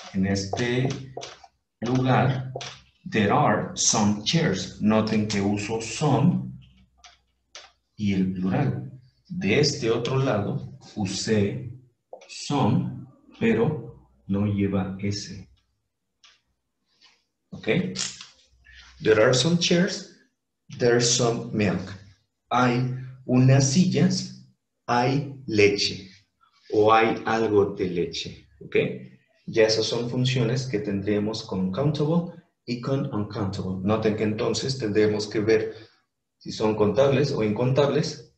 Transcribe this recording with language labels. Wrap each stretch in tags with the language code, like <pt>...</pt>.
<es>En este lugar,</es> <en>there are some chairs.</en> <es>Noten que uso some y el plural. De este otro lado, usé some, pero no lleva S. ¿Ok?</es> <en>There are some chairs, there's some milk.</en> <es>Hay unas sillas, hay leche. O hay algo de leche. ¿Ok? Ya esas son funciones que tendríamos con countable y con uncountable. Noten que entonces tendremos que ver si son contables o incontables.</es>